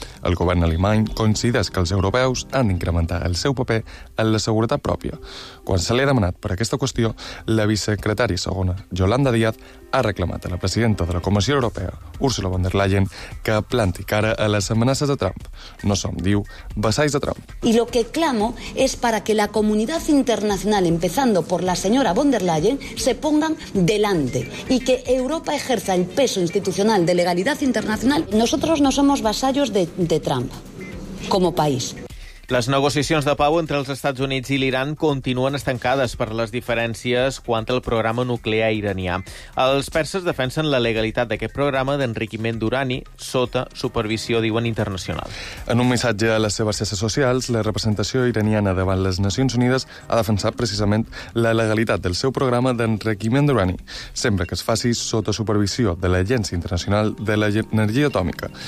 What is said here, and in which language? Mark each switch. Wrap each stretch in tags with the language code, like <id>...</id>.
<ca>El govern alemany considera que els europeus han d'incrementar el seu paper en la seguretat pròpia. Quan se li ha demanat per aquesta qüestió, la vicesecretària segona, Yolanda Díaz, ha reclamat a la presidenta de la Comissió Europea, Ursula von der Leyen, que planti cara a les amenaces de Trump. No som, diu, vassalls de Trump.</ca> <es>Y lo que clamo es para que la comunidad internacional, empezando por la señora von der Leyen, se pongan delante y que Europa ejerza el peso institucional de legalidad internacional. Nosotros no somos vasallos de Trump como país.</es> <ca>Les negociacions de pau entre els Estats Units i l'Iran continuen estancades per les diferències quant al programa nuclear iranià. Els perses defensen la legalitat d'aquest programa d'enriquiment d'urani sota supervisió, diuen, internacional. En un missatge a les seves xarxes socials, la representació iraniana davant les Nacions Unides ha defensat precisament la legalitat del seu programa d'enriquiment d'urani, sempre que es faci sota supervisió de l'Agència Internacional de l'Energia Atòmica.</ca>